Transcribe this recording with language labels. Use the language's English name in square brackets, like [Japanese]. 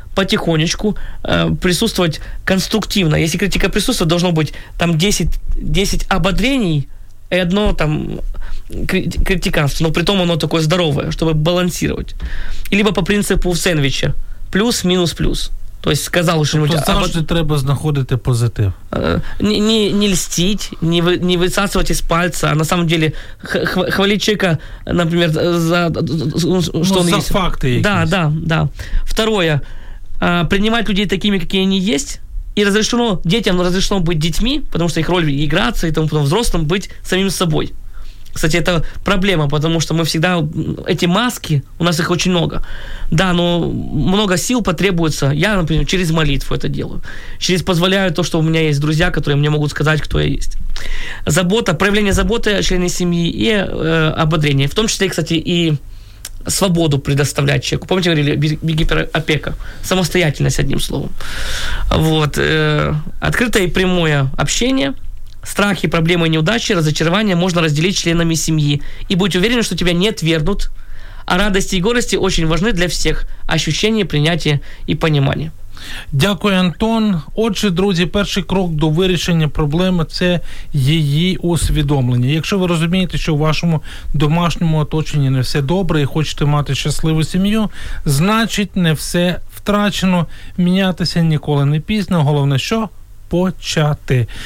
[Russian] потихонечку присутствовать конструктивно. Если критика присутствует, должно быть там 10 ободрений и одно там критиканство, но при том оно такое здоровое, чтобы балансировать. Либо по принципу сэндвича. Плюс, минус, плюс. То есть сказал что-нибудь... [Ukrainian] Тобто завжди треба знаходити позитив. [Russian] Не льстить, не высасывать из пальца, а на самом деле хвалить человека, например, за... Что он за есть. Факты. Да, да, да. Второе. Принимать людей такими, какие они есть, и разрешено детям разрешено быть детьми, потому что их роль играться и тому подобное, взрослым быть самим собой. Кстати, это проблема, потому что мы всегда эти маски, у нас их очень много. Да, но много сил потребуется. Я, например, через молитву это делаю, через позволяю то, что у меня есть друзья, которые мне могут сказать, кто я есть. Забота, проявление заботы о члене семьи и ободрение, в том числе, кстати, и свободу предоставлять человеку. Помните, говорили, гиперопека, самостоятельность, одним словом. Вот. Открытое и прямое общение. Страхи, проблемы, неудачи, разочарования можно разделить членами семьи. И будь уверен, что тебя не отвергнут. А радости и горести очень важны для всех. Ощущение, принятие и понимание. [Ukrainian] Дякую, Антон. Отже, друзі, перший крок до вирішення проблеми – це її усвідомлення. Якщо ви розумієте, що у вашому домашньому оточенні не все добре і хочете мати щасливу сім'ю, значить, не все втрачено. Мінятися ніколи не пізно. Головне, що? Почати.